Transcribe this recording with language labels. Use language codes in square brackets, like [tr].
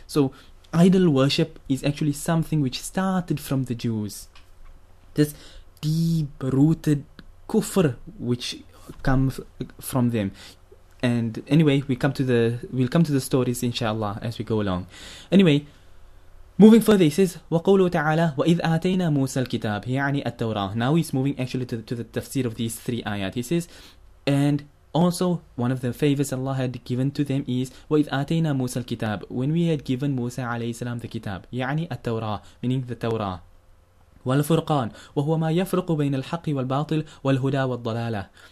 [en] So idol worship is actually something which started from the Jews. This deep-rooted kufr which comes from them. And anyway, we'll come to the stories inshallah as we go along. Anyway, moving further, he says, [ar] وَقَوْلُ تَعَالَى وَإِذْ آتَيْنَا مُوسَى الْكِتَابِ يَعْنِي التَّوْرَاةِ. [en] Now he's moving actually to the tafsir of these three ayat. He says, and also one of the favors Allah had given to them is, [ar] وَإِذْ آتَيْنَا مُوسَى الْكِتَابِ, [en] when we had given Musa alayhi salam the kitab, [ar] يَعْنِي التَّوْرَاةِ, [en] meaning the Torah, [ar] والفرقان وهو ما يفرق بين الحق والباطل والهدى والضلالة.